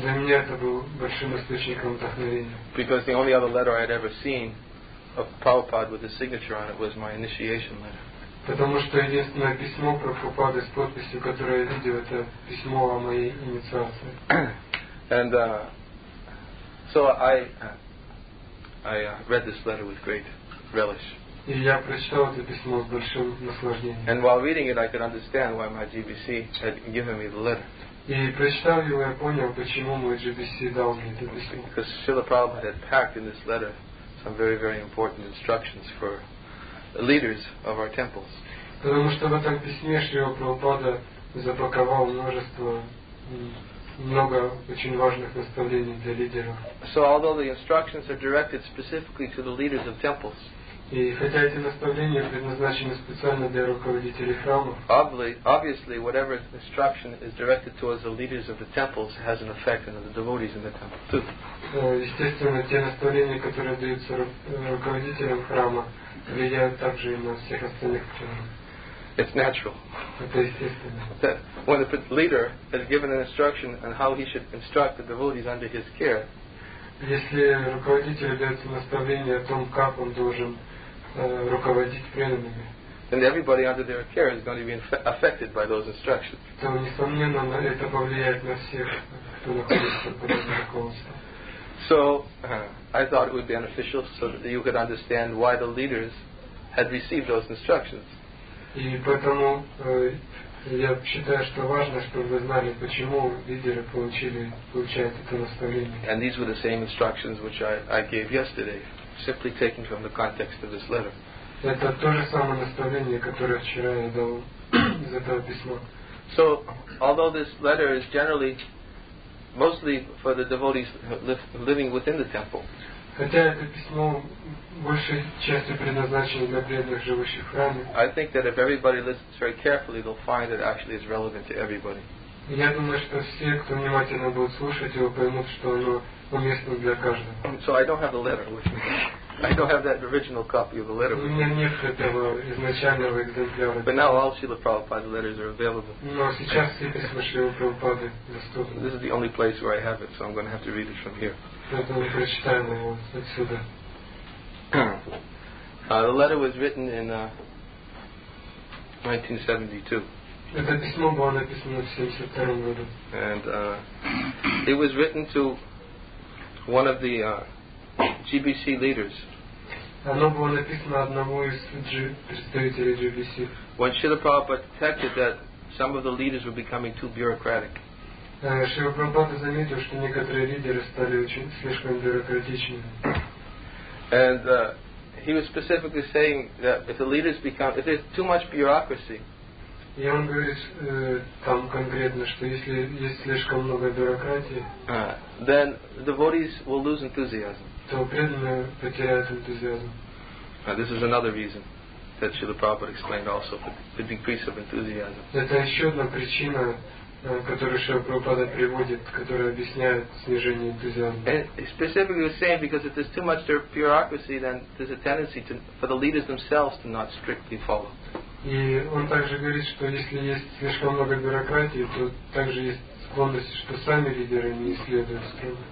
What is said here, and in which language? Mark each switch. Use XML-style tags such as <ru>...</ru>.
<ru>Для меня это был большим источником вдохновения.</ru> <en>Because the only other letter I had ever seen of Prabhupada with his signature on it was my initiation letter.</en> <ru>Потому что единственное письмо Прабхупады с подписью, которое я видел, это письмо о моей инициации.</ru> <en>And so I read this letter with great relish.</en> <ru>И я прочитал это письмо с большим наслаждением.</ru> <en>And while reading it, I could understand why my GBC had given me the letter.</en> <ru>И прочитав его, я понял, почему Муджибиси дал мне это письмо.</ru> <en>Because Srila Prabhupada had packed in this letter some very, very important instructions for the leaders of our temples.</en> <ru>Потому что в этом письме Шрила Прабхупада запаковал множество, много очень важных наставлений для лидеров.</ru> <en>So although the instructions are directed specifically to the leaders of temples,</en> <ru>и хотя эти наставления предназначены специально для руководителей храмов,</ru> <en>obviously, whatever instruction is directed towards the leaders of the temples has an effect on the devotees in the temple too.</en> <ru>Естественно, те наставления, которые даются руководителям храма, влияют также и на всех остальных членов.</ru> <en>It's natural.</en> <ru>Это естественно.</ru> <en>When the leader has given an instruction on how he should instruct the devotees under his care,</en> <ru>если руководитель дает наставление о том, как он должен руководить преданными,</ru> <en>then everybody under their care is going to be affected by those instructions.</en> <ru>То, несомненно, это повлияет на всех, кто находится под этим руководством.</ru> <en>So, I thought it would be beneficial so that you could understand why the leaders had received those instructions.</en> <ru>И поэтому я считаю, что важно, чтобы вы знали, почему лидеры получают это наставление.</ru> <en>And these were the same instructions which I gave yesterday, simply taken from the context of this letter.</en> <ru>Это то же самое наставление, которое вчера я дал из этого письма.</ru> <en>So, although this letter is generally mostly for the devotees living within the temple,</en> <ru>хотя это письмо большей частью предназначено для преданных, живущих в храме,</ru> <en>I think that if everybody listens very carefully, they'll find that actually is relevant to everybody.</en> <ru>Я думаю, что все, кто внимательно будет слушать его, поймут, что оно уместно для каждого.</ru> <en>So I don't have the letter with me. I don't have that original copy of the letter.</en> <ru>У меня нет этого изначального экземпляра.</ru> <en>But now all Srila Prabhupada letters are available.</en> <ru>Но сейчас все письма Шрилы Прабхупады доступны.</ru> <en>This is the only place where I have it, so I'm going to have to read it from here.</en> <ru>Поэтому прочитаем его отсюда.</ru> <en>The letter was written in 1972.</en> <ru>Это письмо было написано в 72 году.</ru> <en>And it was written to one of the GBC leaders.</en> <ru>Оно было написано одному из представителей GBC.</ru> <en>When Srila Prabhupada detected that some of the leaders were becoming too bureaucratic.</en> <ru>Шрила Прабхупада заметил, что некоторые лидеры стали очень слишком бюрократичными.</ru> <en>And he was specifically saying that if the leaders become, if there's too much bureaucracy.</en> <ru>И он говорит там конкретно, что если есть слишком много бюрократии,</ru> <en>then the devotees will lose enthusiasm.</en> <ru>То преданные потеряют энтузиазм.</ru> <en>This is another reason that Srila Prabhupada explained also, for the decrease of enthusiasm.</en> <ru>Это еще одна причина, которую Шрила Прабхупада приводит, которая объясняет снижение энтузиазма.</ru> <en>And specifically was saying because if there's too much bureaucracy, then there's a tendency to, for the leaders themselves to not strictly follow.</en> <ru>И он также говорит, что если есть слишком много бюрократии, то также есть склонность, что сами лидеры не исследуют строго.</ru>